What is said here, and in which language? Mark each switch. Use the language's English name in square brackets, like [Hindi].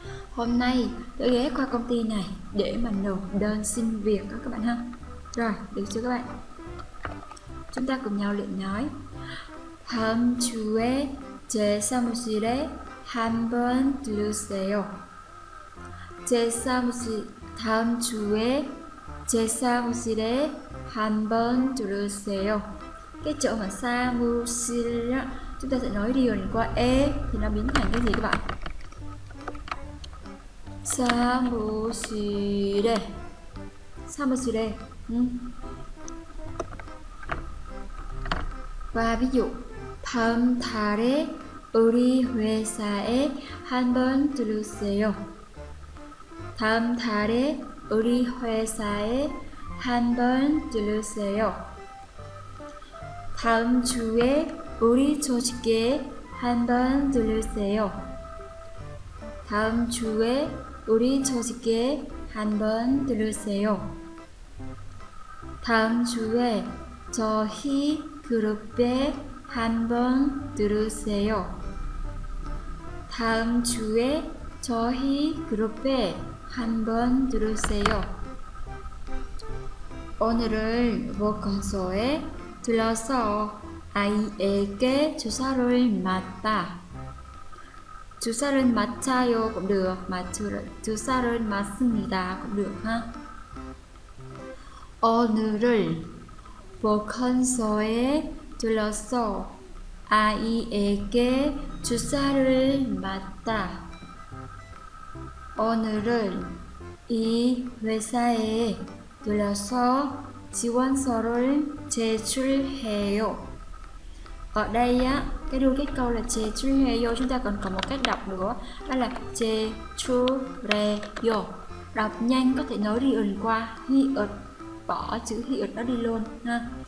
[Vietnamese] Hôm nay tôi ghé qua công ty này để mà nộp đơn xin việc đó các bạn ha. Rồi, được chưa các bạn? Chúng ta cùng nhau luyện nói. [Korean] 다음 주에 제 사무실에 한번 들르세요. 제 사무실 다음 주에 제 사무실에 한번 들르세요. [Vietnamese] Cái chỗ mà 사무실 á, chúng ta sẽ nói điền qua e thì nó biến thành cái gì các bạn? [Korean] 사무실에 사무실에 [Vietnamese] và ví dụ [Korean] 다음 달에 우리 회사에 한번 들으세요. 다음 달에 우리 회사에 한번 들으세요. 다음 주에 우리 조직에 한번 들으세요. 다음 주에 우리 조직에 한번 들으세요. 다음 주에 저희 그룹에 한번 들으세요. 다음 주에 저희 그룹에 한번 들으세요. 오늘은 보건소에 들러서 아이에게 주사를 맞다. 주사를 맞아요 [Vietnamese] cũng được, [Korean] 주사를 맞습니다 [Vietnamese] cũng được ha. [Korean] 오늘을 보건소에 들러서 아이에게 주사를 맞다. 오늘을 이 회사에 들러서 지원서를 제출해요. [Vietnamese] Ở đây á, cái đuôi kết câu là 제출해요, chúng ta còn có một cách đọc nữa, đó là 제출해요. Đọc nhanh có thể nói đi ẩn qua hi ợt, bỏ chữ hi ợt đó đi luôn ha.